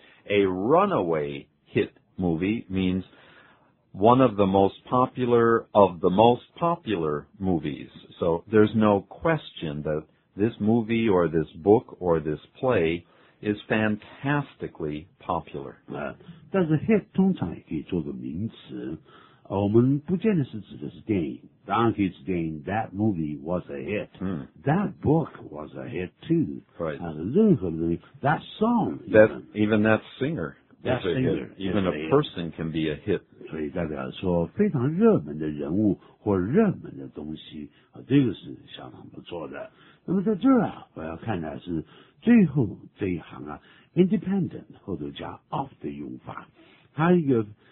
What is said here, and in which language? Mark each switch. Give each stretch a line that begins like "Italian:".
English: A runaway hit movie means one of the most popular of the most popular movies. So there's no question that this movie or this book or this play is fantastically popular.
Chinese: 但是hit通常也可以做个名词。我们不见得是指的是电影，当然可以指电影。
English: That movie was a hit. That book was a hit too. Right.
Chinese: 任何的东西,
English: that song. Even that singer, a person can be a hit.
Chinese: 所以大家说非常热门的人物或热门的东西，这个是相当不错的。那么在这儿啊，我要看的是最后这一行啊 ，independent 后头加 of 的用法，它一个。